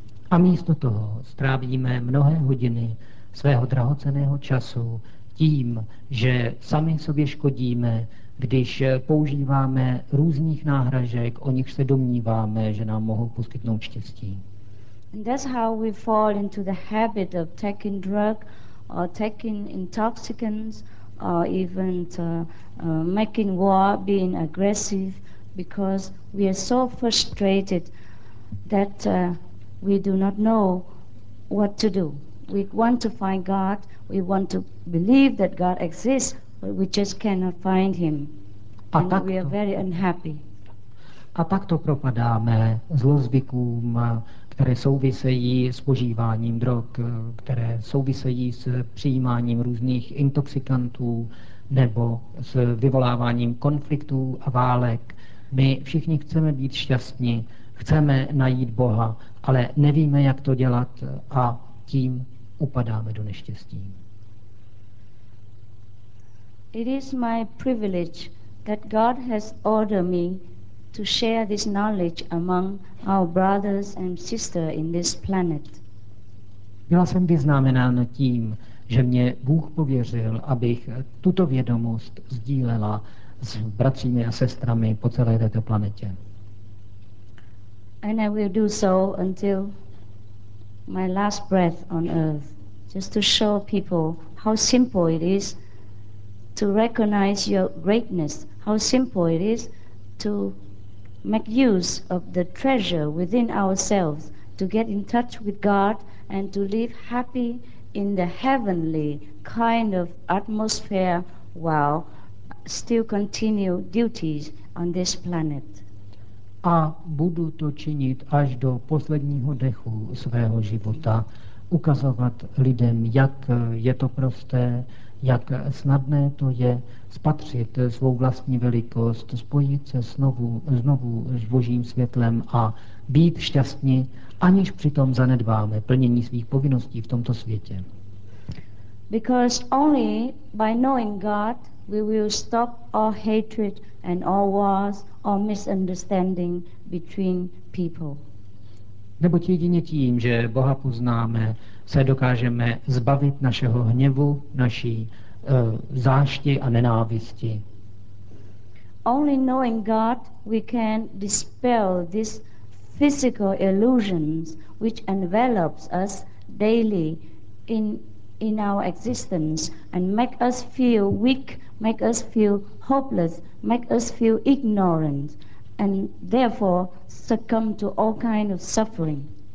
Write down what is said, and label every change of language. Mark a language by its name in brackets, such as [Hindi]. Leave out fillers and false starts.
[Czech] A místo toho strávíme mnohé hodiny svého drahocenného času tím, že sami sobě škodíme, když používáme různých náhražek, o nich se domníváme, že nám mohou poskytnout štěstí. [English] And that's how we fall into the habit of taking drug or taking intoxicants or even making war, being aggressive, because we are so frustrated that we do not know what to do. We want to find God, we want to believe that God exists, but we just cannot find Him. And we are very unhappy. [Czech] A takto propadáme zlozvykům, které souvisejí s požíváním drog, které souvisejí s přijímáním různých intoxikantů nebo s vyvoláváním konfliktů a válek. My všichni chceme být šťastní, chceme najít Boha, ale nevíme, jak to dělat a tím upadáme do neštěstí. [English] It is my privilege that God has ordered me to share this knowledge among our brothers and sisters in this planet. [Czech] Byla jsem vyznamenán tím, že mě Bůh pověřil, abych tuto vědomost sdílela s bratřími a sestrami po celé této planetě. [English] And I will do so until my last breath on earth, just to show people how simple it is to recognize your greatness, how simple it is to make use of the treasure within ourselves, to get in touch with God and to live happy in the heavenly kind of atmosphere while still continue duties on this planet. [Czech] A budu to činit až do posledního dechu svého života, ukazovat lidem, jak je to prosté, jak snadné to je spatřit svou vlastní velikost, spojit se znovu s Božím světlem a být šťastní, aniž přitom zanedbáme plnění svých povinností v tomto světě. [English] Because only by knowing God we will stop all hatred and all wars or misunderstanding between people. [Czech] Neboť jedině tím, že Boha poznáme, se dokážeme zbavit našeho hněvu, naší zášti a nenávisti. [English] Only knowing God we can dispel these physical illusions which envelops us daily in our existence and make us feel weak, make us feel hopeless, make us feel ignorant and therefore succumb to all kind of suffering.